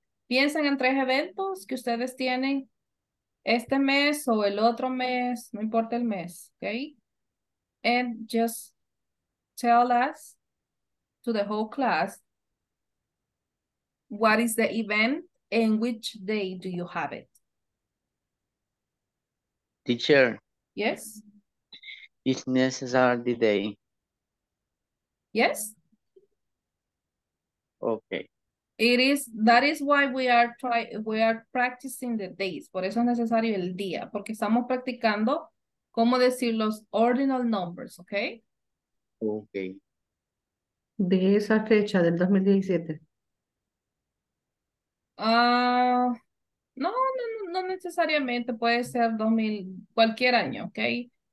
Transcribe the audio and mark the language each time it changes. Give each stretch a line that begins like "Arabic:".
Spanish: Piensen en tres eventos que ustedes tienen este mes o el otro mes, no importa el mes, okay?
English: And just tell us to the whole class What is the event and which day do you have it? Teacher. Yes. It's necessary the day. Yes. Okay. It is, that is why we are practicing the days.
Spanish: Por eso es necesario el día, porque estamos practicando cómo decir los ordinal numbers, okay?
English: Okay.
Spanish: De esa fecha del 2017. No necesariamente, puede ser 2000, cualquier año, okay?